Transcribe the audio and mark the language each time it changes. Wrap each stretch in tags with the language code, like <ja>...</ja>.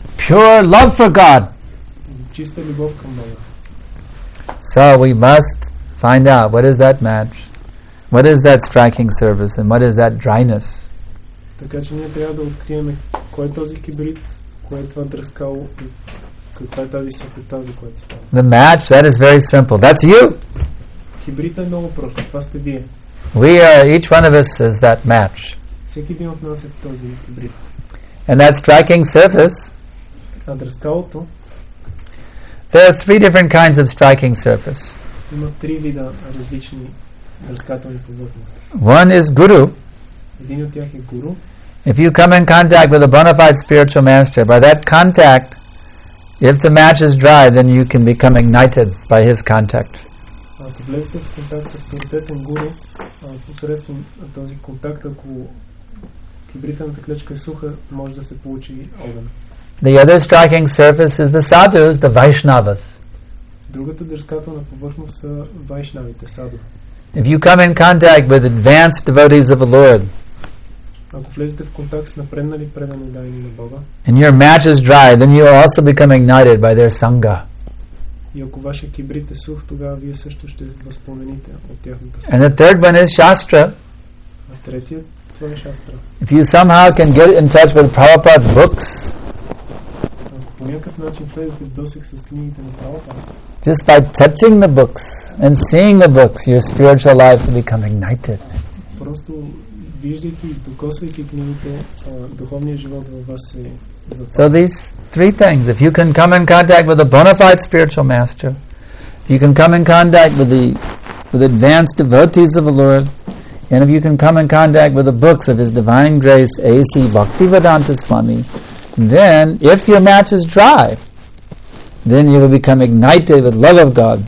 <en>Pure love for God.</en> <bg>Чиста любов към Бога.</bg> <en>So we must find out what is that match, what is that striking surface, and what is that dryness.</en> <bg>Така че ние трябва да открием кой е този кибрит, кой е това дръскало и каква е тази сухота, за която става.</bg> <en>The match, that is very simple. That's you.</en> <bg>Кибритът е много прост. Това сте вие.</bg> <en>We are, each one of us is that match.</en> <bg>Всеки един от нас е този кибрит.</bg> <en>And that striking surface.</en> <bg>А дръскалото.</bg> <en>There are three different kinds of striking surface.</en> <bg>Има три вида различни дръскателни повърхности.</bg> <en>One is guru.</en> <bg>Един от тях е гуру.</bg> <en>If you come in contact with a bona fide spiritual master, by that contact, if the match is dry, then you can become ignited by his contact.</en> <bg>Ако влезете в контакт с авторитетен гуру, посредством този контакт, ако кибритената клечка е суха, може да се получи огън.</bg> <en>The other striking surface is the sadhus, the Vaishnavas.</en> <bg>Другата дръскателна повърхност са вайшнавите, саду.</bg> <en>If you come in contact with advanced devotees of the Lord,</en> <bg>ако влезете в контакт с напреднали предани дайни на Бога,</bg> <en>and your match is dry, then you will also become ignited by their sangha.</en> <bg>И ако вашия кибрит е сух, тогава вие също ще възпомените от тяхната сила.</bg> <en>And the third one is Shastra.</en> <bg>А третият, това е Shastra.</bg> <en>If you somehow can get in touch with Prabhupada's books,</en> <bg>ако по някакъв начин влезете в досег с книгите на Prabhupada,</bg> <en>just by touching the books and seeing the books, your spiritual life will become ignited.</en> <bg>Просто виждайки и докосвайки книгите, духовният живот във вас се...</bg> <en>So these three things, if you can come in contact with a bona fide spiritual master, if you can come in contact with the with advanced devotees of the Lord, and if you can come in contact with the books of His Divine Grace, A.C. Bhaktivedanta Swami, then if your match is dry, then you will become ignited with love of God.</en>